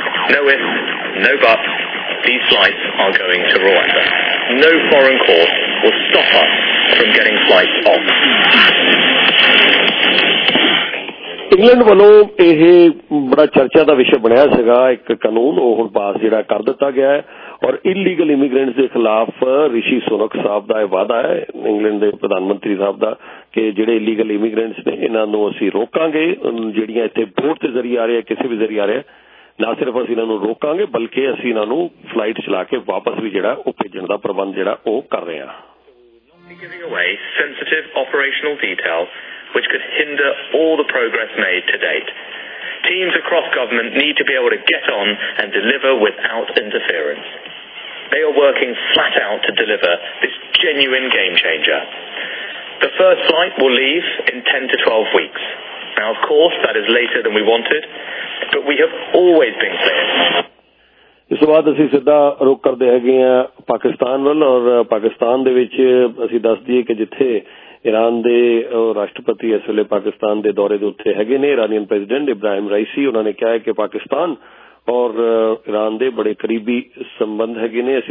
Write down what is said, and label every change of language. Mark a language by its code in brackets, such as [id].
[en] these flights are going to Rwanda. No foreign court will stop us from getting flights off. [pa] England ਵੱਲੋਂ ਇਹ ਬੜਾ ਚਰਚਾ ਦਾ ਵਿਸ਼ਾ ਬਣਿਆ ਸੀਗਾ, ਇੱਕ ਕਾਨੂੰਨ ਉਹ ਹੁਣ ਪਾਸ ਜਿਹੜਾ ਕਰ ਦਿੱਤਾ ਗਿਆ ਔਰ ਇਲੀਗਲ ਇਮੀਗ੍ਰੈਂਟ ਦੇ ਖਿਲਾਫ਼ ਰਿਸ਼ੀ ਸੁਨਕ ਸਾਹਿਬ ਦਾ ਇਹ ਵਾਅਦਾ ਹੈ ਇੰਗਲੈਂਡ ਦੇ ਪ੍ਰਧਾਨ ਮੰਤਰੀ ਸਾਹਿਬ ਦਾ ਕਿ ਜਿਹੜੇ ਇਲੀਗਲ ਇਮੀਗ੍ਰੈਂਟਸ ਨੇ ਇਹਨਾਂ ਨੂੰ ਅਸੀਂ ਰੋਕਾਂਗੇ, ਜਿਹੜੀਆਂ ਇੱਥੇ ਬੋਟ ਦੇ ਜ਼ਰੀਏ ਆ ਰਿਹਾ ਕਿਸੇ ਵੀ ਜ਼ਰੀਏ ਆ ਰਿਹਾ, ਨਾ ਸਿਰਫ਼ ਅਸੀਂ ਇਹਨਾਂ ਨੂੰ ਰੋਕਾਂਗੇ ਬਲਕਿ ਅਸੀਂ ਇਹਨਾਂ ਨੂੰ ਫਲਾਈਟ ਚਲਾ ਕੇ ਵਾਪਸ ਵੀ ਜਿਹੜਾ ਉਹ ਭੇਜਣ ਦਾ ਪ੍ਰਬੰਧ ਜਿਹੜਾ ਉਹ ਕਰ ਰਹੇ ਹਾਂ. [en] Which could hinder all the progress made to date. Teams across government need to be able to get on and deliver without interference. They are working flat out to deliver this genuine game changer. The first flight will leave in 10 to 12 weeks. Now, of course, that is later than we wanted, but we have always been clear. [pa] ਇਸ ਤੋਂ ਬਾਅਦ ਅਸੀਂ ਸਿੱਧਾ ਰੁਕ ਕਰਦੇ ਹੈਗੇ ਆ ਪਾਕਿਸਤਾਨ ਵੱਲ ਔਰ ਪਾਕਿਸਤਾਨ ਦੇ ਵਿੱਚ ਅਸੀਂ ਦੱਸ ਦਈਏ ਕਿ ਜਿੱਥੇ ਇਰਾਨ ਦੇ ਰਾਸ਼ਟਰਪਤੀ ਇਸ ਵੇਲੇ ਪਾਕਿਸਤਾਨ ਦੇ ਦੌਰੇ ਦੇ ਉੱਤੇ ਹੈਗੇ ਨੇ ਇਰਾਨੀਅਨ ਪ੍ਰੈਜੀਡੈਂਟ ਇਬਰਾਹਿਮ ਰਾਈਸੀ, ਉਨ੍ਹਾਂ ਨੇ ਕਿਹਾ ਹੈ ਕਿ ਪਾਕਿਸਤਾਨ ਔਰ ਇਰਾਨ ਦੇ ਬੜੇ ਕਰੀਬੀ ਸਬੰਧ ਹੈਗੇ ਨੇ.